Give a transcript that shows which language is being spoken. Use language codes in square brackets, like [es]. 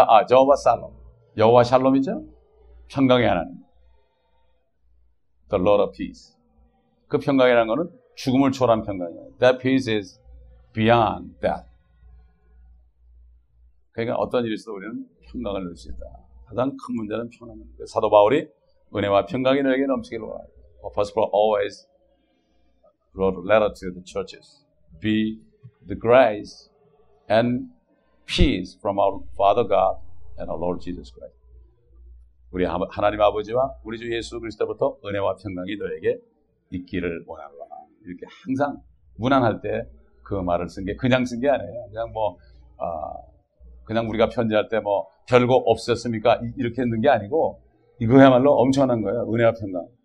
[ko] 여호와 샬롬. 여호와 샬롬이죠? 평강의 하나님. [en] The Lord of Peace. [ko] 그 평강이라는 거는 죽음을 초월한 평강이에요. [en] That peace is beyond death. [ko] 그러니까 어떤 일이 있어도 우리는 평강을 누릴 수 있다. 가장 큰 문제는 평강입니다. 사도 바울이 은혜와 평강이 너에게 넘치기를 원합니다. [en] First of all, always wrote a letter to the churches. Be the grace and peace from our Father God and our Lord Jesus Christ. [ko] 우리 하나님 아버지와 우리 주 예수 그리스도부터 은혜와 평강이 너에게 있기를 원하노라. 이렇게 항상 무난할 때 그 말을 쓴 게 그냥 쓴 게 아니에요. 그냥 뭐 그냥 우리가 편지할 때 뭐 별거 없었습니까? 이렇게 했는 게 아니고 이거야말로 엄청난 거예요. 은혜와 평강.